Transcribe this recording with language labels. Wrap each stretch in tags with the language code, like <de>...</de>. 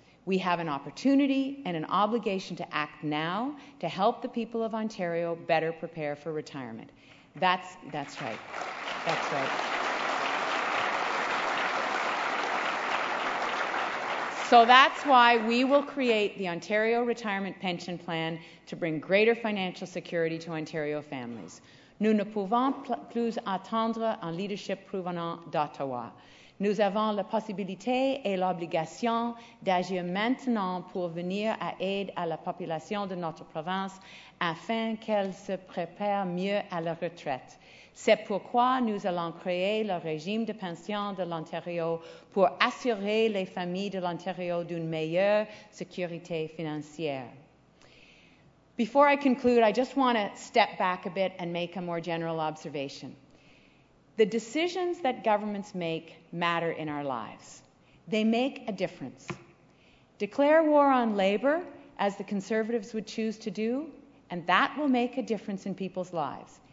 <en>We have an opportunity and an obligation to act now to help the people of Ontario better prepare for retirement. That's right. That's right. So that's why we will create the Ontario Retirement Pension Plan to bring greater financial security to Ontario families.</en> <fr>Nous ne pouvons plus attendre un leadership provenant d'Ottawa. Nous avons la possibilité et l'obligation d'agir maintenant pour venir à aide à la population de notre province afin qu'elle se prépare mieux à la retraite. C'est pourquoi nous allons créer le régime de pension de l'Ontario pour assurer les familles de l'Ontario d'une meilleure sécurité financière.</fr> <en>Before I conclude, I just want to step back a bit and make a more general observation. The decisions that governments make matter in our lives. They make a difference. Declare war on labor, as the Conservatives would choose to do, and that will make a difference in people's lives.</en>